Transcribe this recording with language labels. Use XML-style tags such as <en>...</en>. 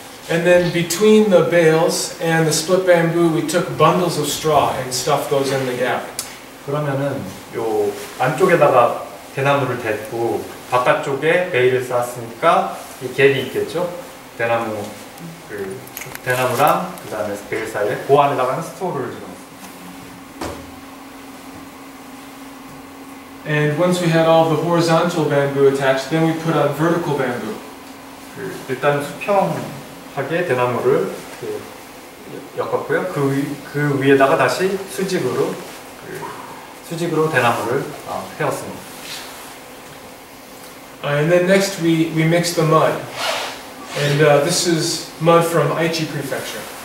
<en>And then between the bales and the split bamboo, we took bundles of straw and stuffed those in the gap.</en> <ko>그러면은 요 안쪽에다가 대나무를 댔고 바깥쪽에 베일을 쌓았으니까 이 갭이 있겠죠? 대나무 그 대나무랑 그다음에 베일 사이에 그 안에다가는 스토어를 지금.</ko> <en>And once we had all the horizontal bamboo attached, then we put on vertical bamboo.</en> <ko>일단 수평하게 대나무를 엮었고요. 그 위에다가 다시 수직으로 대나무를 세웠습니다.</ko> <en>And then next we mix the mud. And this is mud from Aichi Prefecture.</en>